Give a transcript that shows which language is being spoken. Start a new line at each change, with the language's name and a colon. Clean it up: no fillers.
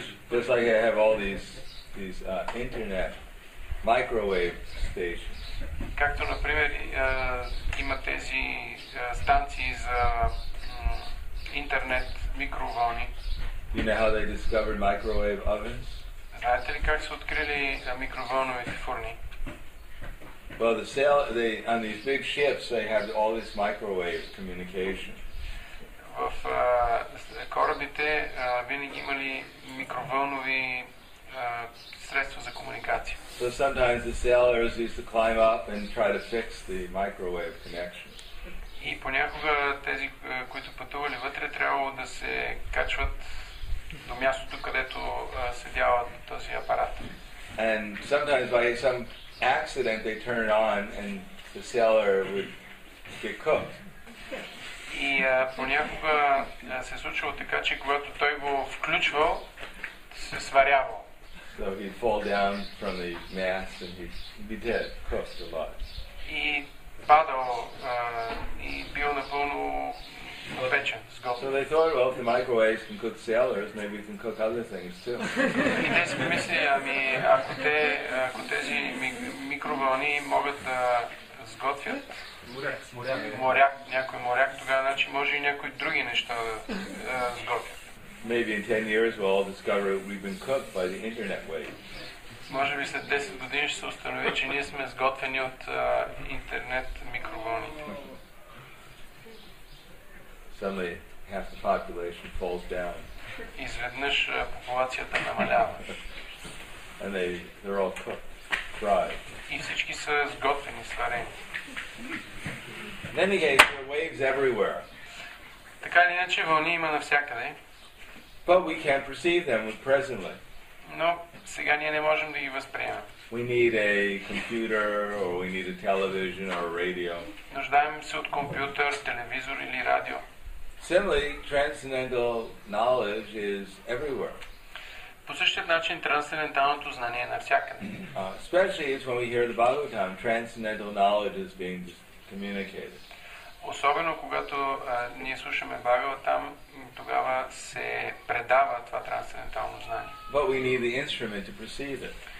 English: Just like I have all these internet microwave stations.
Bulgarian: Както, например, има тези станции за интернет микровълни.
English: You know how they discovered microwave ovens?
Bulgarian: Знаете ли как са открили микровълновите фурни?
English: Well, the sail, they on these big ships, they have all this microwave communication.
Bulgarian: В корабите винаги имали микровълнови средства за комуникация.
English: So sometimes the sailors used to climb up and try to fix the microwave connection.
Bulgarian: И понякога тези, които пътували вътре, трябвало да се качват до мястото, където седява този апарат.
English: And sometimes by some accident they turn it on and the sailor would get cooked.
Bulgarian: И понякога се случвало така, че когато той го включвал, се сварявал.
English: So he'd fall down from the mast and he'd be dead, cooked a lot.
Bulgarian: И падал и бил напълно печен.
English: So they thought, well, if the microwaves can cook sailors, maybe we can cook other things too.
Bulgarian: И те си помислили, ами ако те, ако тези микровълни могат да сготвят моряк, някой моряк, тогава значи може и някои други неща да сготвят.
English: Maybe in 10 years we'll all discover we've been cooked by the internet waves.
Bulgarian: Може би след 10 години ще се установи, че ние сме сготвени от интернет микровълните.
English: Suddenly half the population falls down.
Bulgarian: Изведнъж популацията намалява.
English: And they're all cooked, fried.
Bulgarian: И всички са сготвени, сварени.
English: In any case, there are waves everywhere.
Bulgarian: Така или иначе, вълни има навсякъде.
English: But we can't perceive them presently.
Bulgarian: Но сега ние не можем да ги възприемем.
English: We need a computer or we need a television or a radio.
Bulgarian: Нуждаем се от компютър, телевизор или радио.
English: Similarly, transcendental knowledge is everywhere.
Bulgarian: По същия начин трансценденталното знание е навсякъде.
English: Especially when we hear the Bhagavatam, transcendental knowledge is being communicated.
Bulgarian: Особено когато ние слушаме Бхагаватам, тогава се предава това трансцендентално знание.
English: But we need the instrument to perceive it.